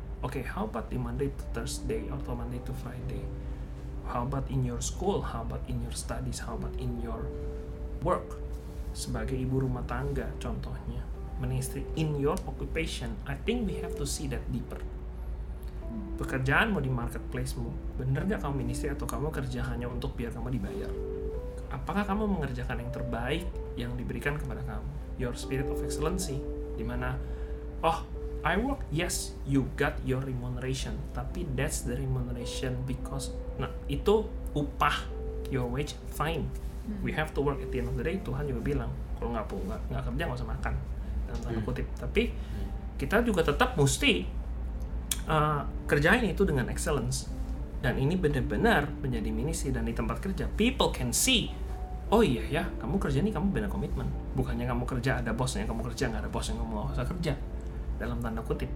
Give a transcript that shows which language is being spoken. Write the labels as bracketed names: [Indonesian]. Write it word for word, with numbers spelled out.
[English] Oke, okay, how about di Monday to Thursday atau Monday to Friday? How about in your school? How about in your studies? How about in your work? [Indonesian] Sebagai ibu rumah tangga contohnya, [English] ministry in your occupation, I think we have to see that deeper. [Indonesian] Pekerjaanmu di marketplace-mu, bener gak kamu ministry atau kamu kerja hanya untuk biar kamu dibayar? Apakah kamu mengerjakan yang terbaik yang diberikan kepada kamu? [English] Your spirit of excellency, [Indonesian] dimana [English] oh I work, yes, you got your remuneration, [Indonesian] tapi [English] that's the remuneration because [Indonesian] nah itu upah, [English] your wage, fine. We have to work at the end of the day. [Indonesian] Tuhan juga bilang kalau nggak pun nggak nggak kerja nggak usah makan, dalam tanda kutip. Tapi kita juga tetap mesti uh, kerjain itu dengan excellence. Dan ini benar-benar menjadi minisi dan di tempat kerja [English] people can see. [Indonesian] Oh iya ya, kamu kerja ini kamu benar komitmen. Bukannya kamu kerja ada bosnya, kamu kerja nggak ada bos yang kamu nggak usah kerja. Dalam tanda kutip.